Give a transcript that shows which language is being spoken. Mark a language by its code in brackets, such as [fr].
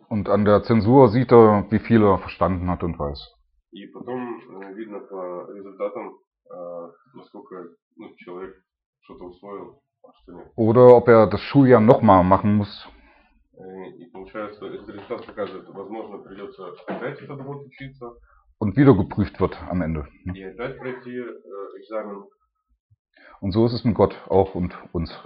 [de] Und an der Zensur sieht er, wie viel er verstanden hat und weiß. [ru] И потом видно по результатам, насколько человек что-то усвоил, а что нет. [de] Oder ob er das Schuljahr nochmal machen muss. [ru] И получается, если результат показывает, возможно, придется опять этот год учиться. [de] Und wieder geprüft wird am Ende. [ru] И опять пройти экзамен. [de] Und so ist es mit Gott auch und uns.